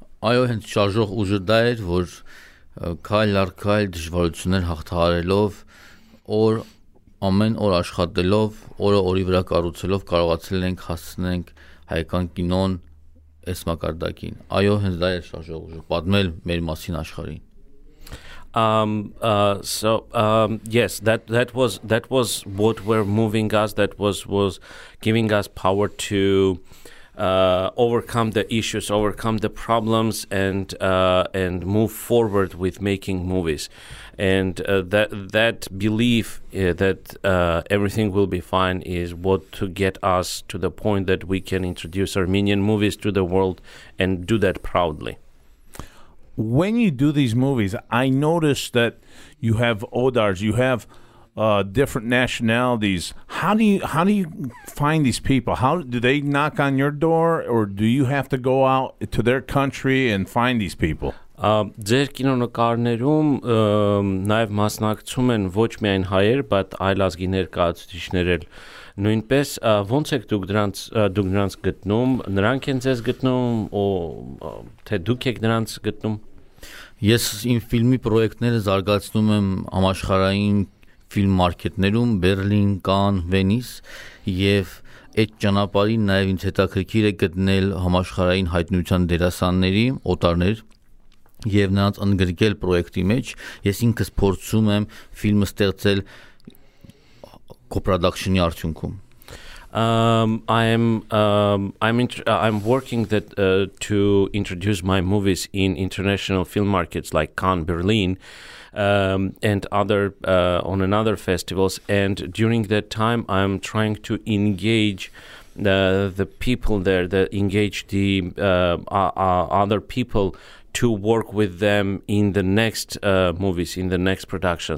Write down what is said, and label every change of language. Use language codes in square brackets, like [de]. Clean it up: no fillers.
[hy] Այո, հենց շարժող ուժը դա էր, որ քայլ առ քայլ դժվարություններ հաղթահարելով, օր ամեն օր աշխատելով, օրը օրի վրա կառուցելով կարողացել ենք հասցնենք հայկական կինոն այս մակարդակին։ Այո, հենց դա էր շարժող ուժը, պատմել մեր մասին աշխարհին։ [en] Yes, that was what we're moving us, that was giving us power to overcome the issues, overcome the problems, and move forward with making movies. And that belief that everything will be fine is what to get us to the point that we can introduce Armenian movies to the world and do that proudly. When you do these movies, I notice that you have Odars, you have different nationalities. How do you find these people? How do they knock on your door, or do you have to go out to their country and find these people? [hy] Ձեր կինոնկարներում նաև մասնակցում են ոչ միայն հայեր, բայց այլ ազգի ներկայացուցիչներ էլ։ Նույնպես ո՞նց եք դուք նրանց գտնում, նրանք են ձեզ գտնում, թե դուք եք նրանց գտնում։ Ես իմ ֆիլմի պրոյեկտները զարգացնում եմ համաշխարհային ֆիլմ մարքեթներում՝ Բերլին, Կան, Վենիս, եւ այդ ճանապարհին նաև ինձ հետաքրքիր է գտնել համաշխարհային հայտնության դերասանների օտարներ և նրանց ընդգրկել պրոյեկտի մեջ. Ես ինքս փորձում եմ ֆիլմը ստեղծել կոպրոդակշնի արդյունքում. [en] I'm working that to introduce my movies in international film markets like Cannes, Berlin, and other on another festivals. And during that time, I'm trying to engage the people there, that engage the other people to work with them in the next movies, in the next production.